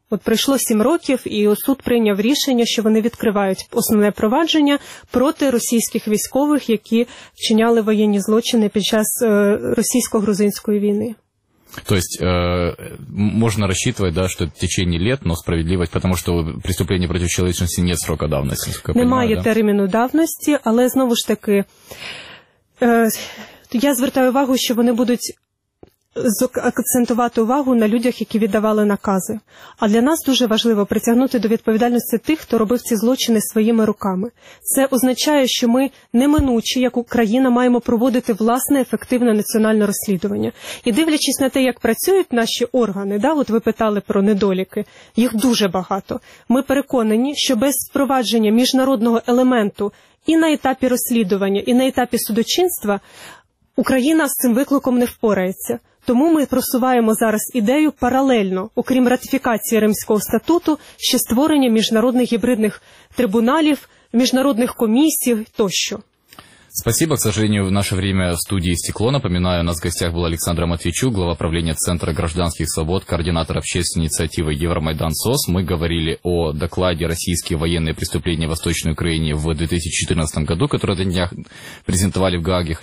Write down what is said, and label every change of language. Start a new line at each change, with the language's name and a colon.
Ukrainian: От пройшло 7 років, і суд прийняв рішення, що вони відкривають основне провадження проти російських військових, які вчиняли воєнні злочини під час російсько-грузинської війни.
Russian: То есть можно рассчитывать, да, что в течение лет, но справедливость, потому что преступление против человечности нет срока давности.
Ukrainian: Немає
Russian: понимаю, да?
Ukrainian: терміну давності, але знову ж таки, я звертаю увагу, що вони будуть акцентувати увагу на людях, які віддавали накази. А для нас дуже важливо притягнути до відповідальності тих, хто робив ці злочини своїми руками. Це означає, що ми неминуче, як Україна, маємо проводити власне ефективне національне розслідування. І дивлячись на те, як працюють наші органи, да, от ви питали про недоліки, їх дуже багато. Ми переконані, що без впровадження міжнародного елементу і на етапі розслідування, і на етапі судочинства Україна з цим викликом не впорається. Тому ми просуваємо зараз ідею паралельно, окрім ратифікації Римського статуту, ще створення міжнародних гібридних трибуналів, міжнародних комісій тощо.
Russian: Спасибо, к сожалению, в наше время в студии стекло. Напоминаю, у нас в гостях был Александр Матвейчук, глава правления Центра гражданских свобод, координатор общественной инициативы Евромайдан СОС. Мы говорили о докладе «Российские военные преступления в Восточной Украине» в 2014 году, который на днях презентовали в Гааге.